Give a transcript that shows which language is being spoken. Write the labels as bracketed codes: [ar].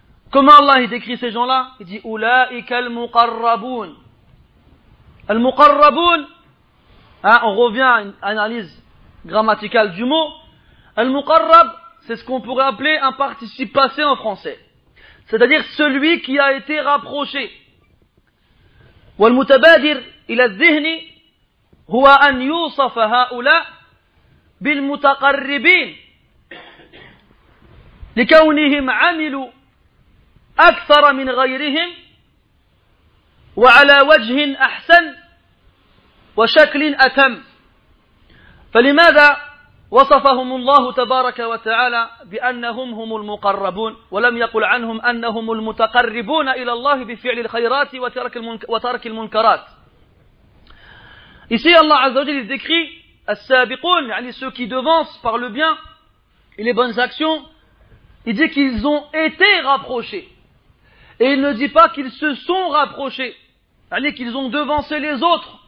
[fr] Comment Allah décrit ces gens-là? Il dit, [ar] oulaïka al-muqarraboun. [fr] Al-muqarraboun, hein, on revient à une analyse grammaticale du mot. Al-muqarrab, c'est ce qu'on pourrait appeler un participe passé en français. C'est-à-dire celui qui a été rapproché. [ar] والمتبادر إلى الذهن هو أن يوصف هؤلاء بالمتقربين لكونهم عملوا أكثر من غيرهم وعلى وجه أحسن وشكل أتم. فلماذا وصفهم الله تبارك وتعالى بأنهم هم المقربون ولم يقل عنهم أنهم المتقربون إلى الله بفعل الخيرات وترك المنكرات. [fr] Ici Allah عز وجل décrit السابقون, يعني ceux qui devancent par le bien et les bonnes actions. Il dit qu'ils ont été rapprochés. Et il ne dit pas qu'ils se sont rapprochés, يعني qu'ils ont devancé les autres